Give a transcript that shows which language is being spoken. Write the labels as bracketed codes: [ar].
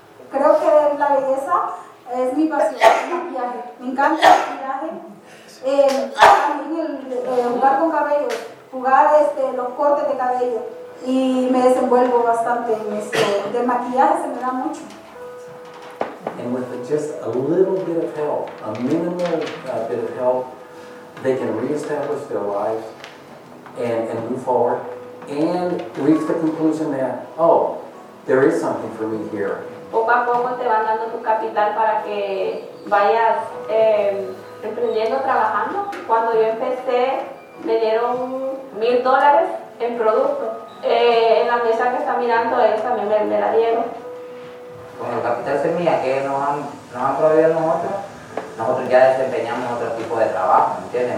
[es] Creo que la belleza es mi pasión, mi viaje. Me encanta el viaje. Jugar con cabello, jugar los cortes de cabello. Y me desenvuelvo bastante en de maquillaje, se me da mucho. [en] And with just a little bit of help, a minimal bit of help, they can reestablish their lives and move forward and reach the conclusion that, oh, there is something for me here. [es] Poco a poco te van dando tu capital para que vayas emprendiendo, trabajando. Cuando yo empecé, me dieron $1,000 en producto. En la mesa que está mirando, ellos también me la dieron. Con el capital semilla que nos han proveído nosotros ya desempeñamos otro tipo de trabajo, ¿entiendes?